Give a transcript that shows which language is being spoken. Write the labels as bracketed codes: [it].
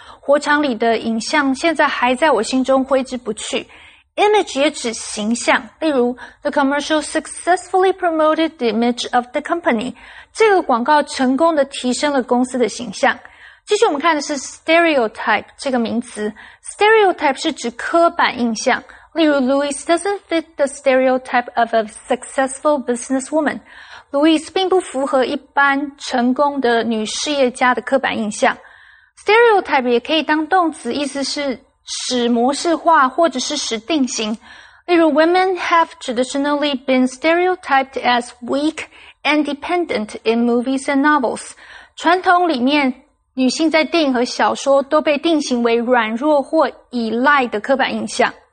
[zh] 火场里的影像现在还在我心中挥之不去。 [en] Image [zh] 也指形象，例如 [en] the commercial successfully promoted the image of the company. [zh] 这个广告成功地提升了公司的形象。继续我们看的是 stereotype 这个名词。Stereotype 是指刻板印象，例如 [en] Louis doesn't fit the stereotype of a successful businesswoman. [zh] Louise 并不符合一般成功的女事业家的刻板印象。 Stereotype 也可以当动词，意思是使模式化或者是使定型。例如 [en] ,women have traditionally been stereotyped as weak and dependent in movies and novels. [zh] 传统里面女性在电影和小说都被定型为软弱或依赖的刻板印象。